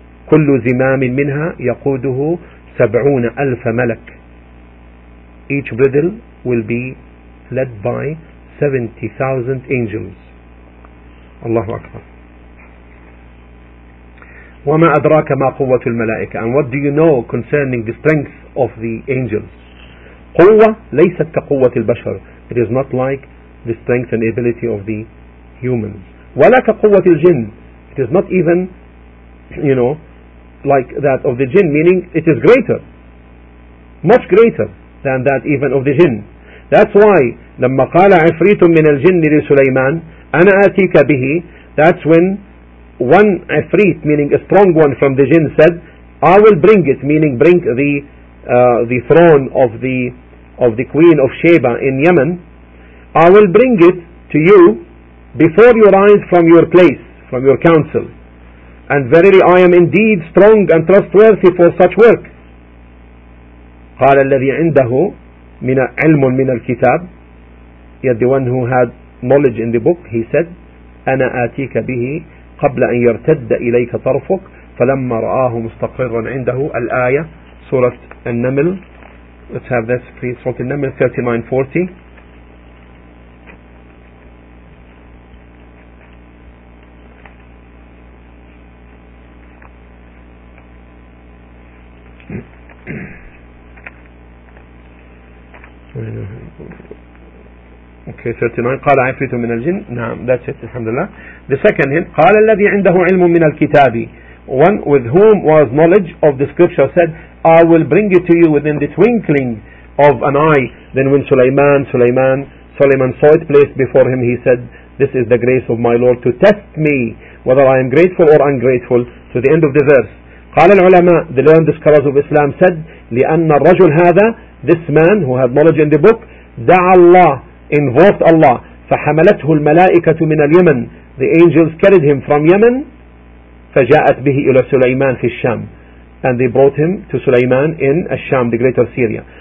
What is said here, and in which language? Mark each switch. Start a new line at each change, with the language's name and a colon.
Arabic: كل زمام منها يقوده سبعون ألف ملك.
English: Each bridle will be led by 70,000 angels.
Arabic: الله أكبر. وما أدراك ما قوة الملائكة.
English: And what do you know concerning the strength of the angels?
Arabic: قوة ليست كقوة البشر.
English: It is not like the strength and ability of the humans.
Arabic: ولا كقوة الجن.
English: It is not even, you know, like that of the jinn. Meaning it is greater, much greater than that even of the jinn. That's why
Arabic: لما قال عفريت من الجن لسليمان أنا آتيك به.
English: That's when one ifrit, meaning a strong one from the jinn, said, I will bring it, meaning bring the the throne of the queen of Sheba in Yemen, I will bring it to you before you rise from your place, from your council. And verily I am indeed strong and trustworthy for such work.
Arabic: قال الذي عنده من علم من الكتاب,
English: yet the one who had knowledge in the book, he said,
Arabic: أنا آتيك به قبل أن يرتد إليك طرفك. فلما رآه مستقرا عنده الآية, سورة النمل.
English: Let's have this, please. Surah An-Naml 39:40. Okay,
Arabic: 39. قال عفريت من الجن. نعم,
English: that's it.
Arabic: الحمد لله.
English: The second hint.
Arabic: قال الذي عنده علم من الكتاب.
English: One with whom was knowledge of the scripture said, I will bring it to you within the twinkling of an eye. Then when Sulaiman saw it placed before him, he said, this is the grace of my Lord to test me whether I am grateful or ungrateful. To the end of the verse.
Arabic: قال العلماء,
English: the learned scholars of Islam said,
Arabic: لأن الرجل هذا,
English: this man who had knowledge in the book,
Arabic: دعا الله,
English: invoked Allah,
Arabic: فحملته الملائكة من اليمن,
English: the angels carried him from Yemen,
Arabic: فجاءت به إلى سليمان في الشام,
English: and they brought him to Sulaiman in Al-Sham, the greater Syria.